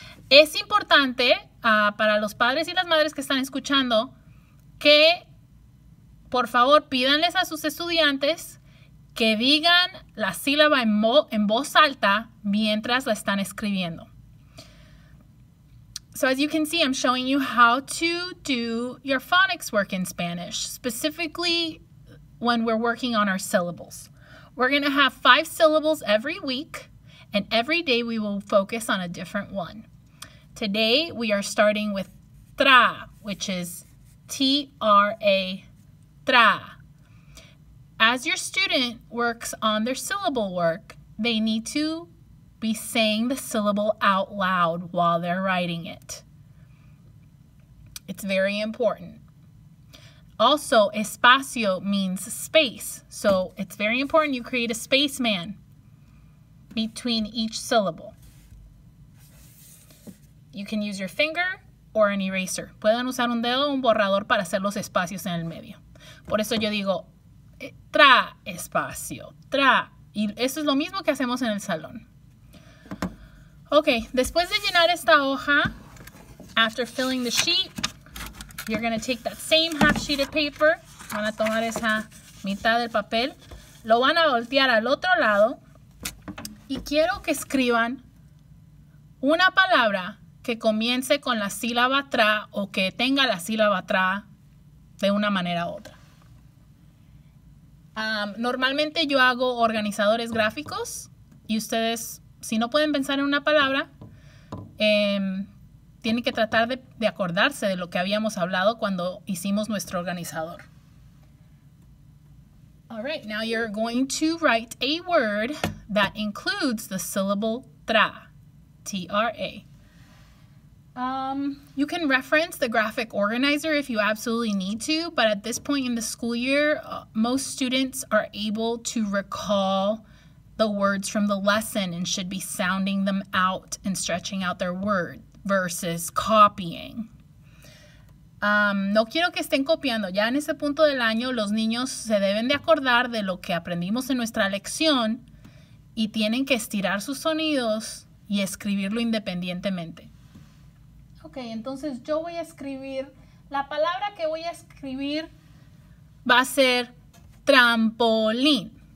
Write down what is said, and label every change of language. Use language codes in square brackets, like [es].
[es] Es importante, para los padres y las madres que están escuchando, que por favor, pídanles a sus estudiantes que digan la sílaba en voz alta mientras la están escribiendo. [en] So as you can see, I'm showing you how to do your phonics work in Spanish, specifically when we're working on our syllables. We're going to have 5 syllables every week, and every day we will focus on a different one. Today, we are starting with tra, which is T-R-A. Tra. As your student works on their syllable work, they need to be saying the syllable out loud while they're writing it. It's very important. Also, espacio means space, so it's very important you create a spaceman between each syllable. You can use your finger or an eraser. [es] Pueden usar un dedo o un borrador para hacer los espacios en el medio. Por eso yo digo, tra, espacio, tra. Y eso es lo mismo que hacemos en el salón. Ok, después de llenar esta hoja, [en] after filling the sheet, you're going to take that same half sheet of paper, [es] van a tomar esa mitad del papel, lo van a voltear al otro lado, y quiero que escriban una palabra que comience con la sílaba tra o que tenga la sílaba tra de una manera u otra. Normalmente yo hago organizadores gráficos y ustedes, si no pueden pensar en una palabra, tienen que tratar de acordarse de lo que habíamos hablado cuando hicimos nuestro organizador. [en] All right, now you're going to write a word that includes the syllable tra, T-R-A. You can reference the graphic organizer if you absolutely need to, but at this point in the school year, most students are able to recall the words from the lesson and should be sounding them out and stretching out their word versus copying. [es] No quiero que estén copiando. Ya en ese punto del año, los niños se deben de acordar de lo que aprendimos en nuestra lección y tienen que estirar sus sonidos y escribirlo independientemente. Ok. Okay, entonces yo voy a escribir, la palabra que voy a escribir va a ser trampolín.